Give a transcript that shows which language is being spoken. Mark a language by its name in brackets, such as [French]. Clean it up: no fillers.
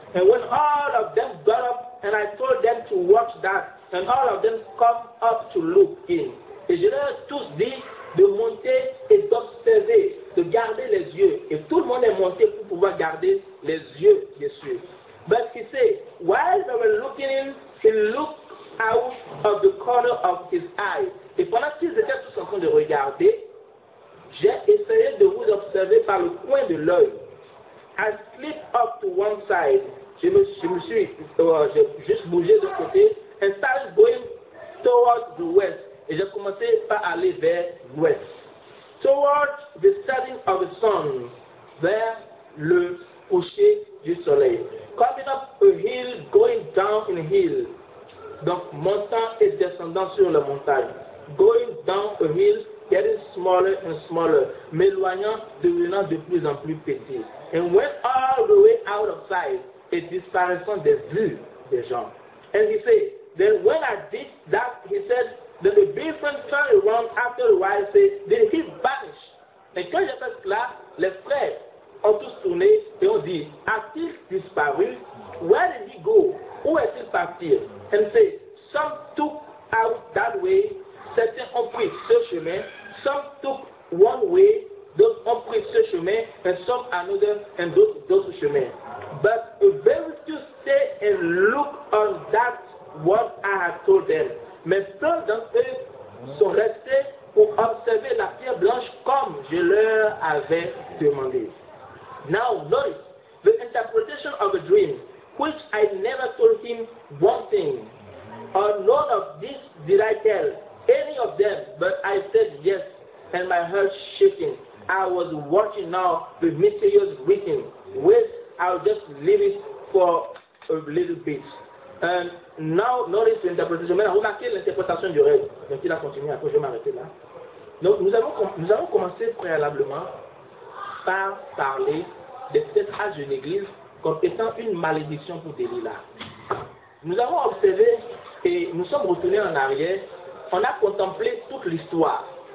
[English] And when all of them got up, and I told them to watch that, and all of them come up to look in. [French] Et je leur ai tous dit de monter et d'observer, de garder les yeux. Et tout le monde est monté pour pouvoir garder les yeux de Jésus. [English] But he said, while they were looking in, he looked out of the corner of his eye. [French] Et pendant qu'ils étaient tous en train de regarder, j'ai essayé de vous observer par le coin de l'œil. [English] I slipped off to one side. [French] Je me suis juste bougé de côté. [English] And started going towards the west. [French] Et j'ai commencé par aller vers l'ouest. [English] Towards the setting of the sun. [French] Vers le coucher du soleil. [English] Coming up a hill, going down in a hill. [French] Donc, montant et descendant sur la montagne. [English] Going down a hill, getting smaller and smaller. [French] M'éloignant, devenant de plus en plus petit. [English] And went all the way out of sight. [French] Et disparaissant des vues des gens. [English] And he said, then when I did that, he said, then the brethren turned around after a while, said, then he vanished. [French] Et quand j'ai fait cela, les frères ont tous tourné et ont dit, a-t-il disparu? [English] Where did he go? [French] Où est-il parti? [English] And say, some took out that way, [French] certains ont pris ce chemin, [English] some took one way, [French] d'autres ont pris ce chemin, [English] and some another, and [French] d'autres chemins. [English] But they will still stay and look on that what I have told them. [French] Mais ceux d'entre eux sont restés pour observer la pierre blanche comme je leur avais demandé. [English] Now notice the interpretation of a dream, which I never told him one thing, or none of this did I tell any of them, but I said yes, and my heart shaking. I was watching now the mysterious written, which I'll just leave it for a little bit. And now notice the interpretation. [French] Maintenant, remarquez l'interprétation du rêve. Donc, il a continué, après je vais m'arrêter là. Donc, nous avons commencé préalablement par parler de cet âge d'une église comme étant une malédiction pour Delilah. Nous avons observé et nous sommes retournés en arrière. On a contemplé toute l'histoire.